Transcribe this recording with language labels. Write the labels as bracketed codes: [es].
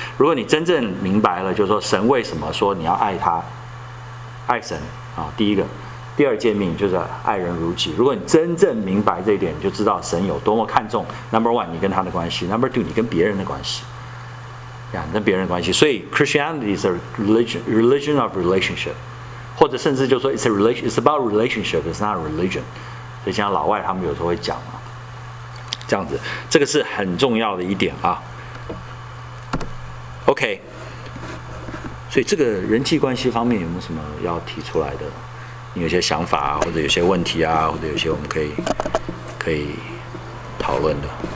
[zh] 如果你真正明白了，就是说神为什么说你要爱他，爱神。第一个第二诫命就是爱人如己，如果你真正明白这一点，你就知道神有多么看重 number one 你跟他的关系， number two 你跟别人的关系，跟别人的关系。所以 [en] Christianity is a religion of relationship， [zh] 或者甚至就说 [en] it's about relationship， it's not religion。 [zh] 所以像老外他们有时候会讲这样子，这个是很重要的一点啊。 OK，所以这个人际关系方面有没有什么要提出来的？你有些想法啊，或者有些问题啊，或者有些我们可以讨论的。